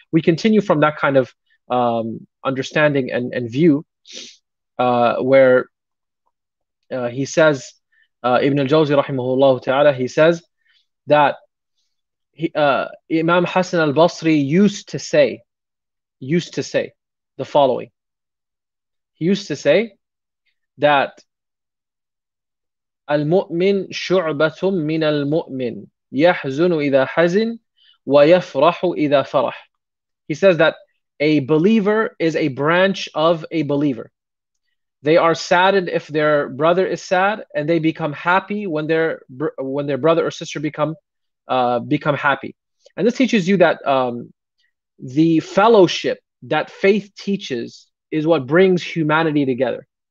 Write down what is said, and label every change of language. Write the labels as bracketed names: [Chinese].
[English] We continue from that kind of understanding and view, where he says, Ibn al-Jawzi rahimahullah ta'ala, he says that Imam Hasan al-Basri used to say the following. He used to say that [Arabic] المؤمن شعبة من المؤمن يحزن إذا حزن ويفرح إذا فرح. [English] He says that a believer is a branch of a believer. They are saddened if their brother is sad, and they become happy when their brother or sister become happy. And this teaches you that the fellowship that faith teaches is what brings humanity together.